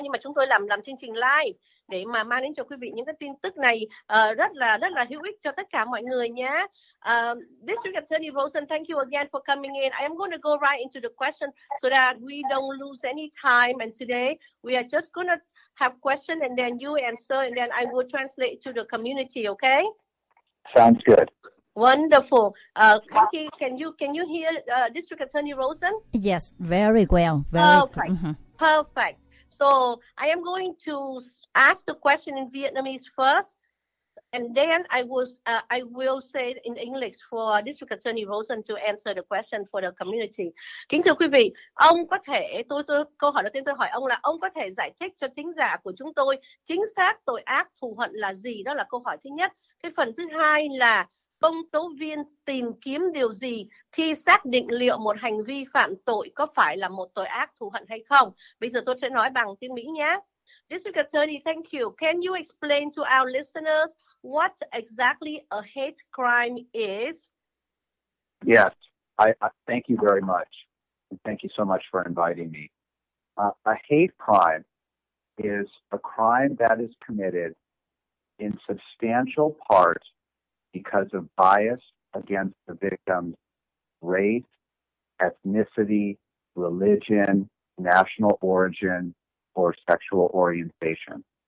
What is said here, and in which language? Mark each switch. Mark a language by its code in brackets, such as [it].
[vi] Nhưng mà chúng tôi làm chương trình live để mà mang đến cho quý vị những cái tin tức này rất là hữu ích cho tất cả mọi người nhé. [en] District Attorney Rosen, thank you again for coming in. I am going to go right into the question so that we don't lose any time. And today we are just going to have question and then you answer and then I will translate to the community, okay? Sounds good. Wonderful. Kiki, can you hear District Attorney Rosen? Yes, very well. Perfect. Mm-hmm. Perfect. So I am going to ask the question in Vietnamese first, and then I will say it in English for District Attorney Rosen to answer the question for the community. [vi] Kính thưa quý vị, ông có thể tôi câu hỏi đầu tiên tôi hỏi ông là ông có thể giải thích cho thính giả của chúng tôi chính xác tội ác thù hận là gì? Đó là câu hỏi thứ nhất. Cái phần thứ hai là công tố viên tìm kiếm điều gì khi xác định liệu một hành vi phạm tội có phải là một tội ác thù hận hay không. Bây giờ tôi sẽ nói bằng tiếng Mỹ nhé. [en] District Attorney, thank you. Can you explain to our listeners what exactly a hate crime is? Yes, I thank you very much. And thank you so much for inviting me. A hate crime is a crime that is committed in substantial part because of bias against the victim's race, ethnicity, religion, national origin, or sexual orientation.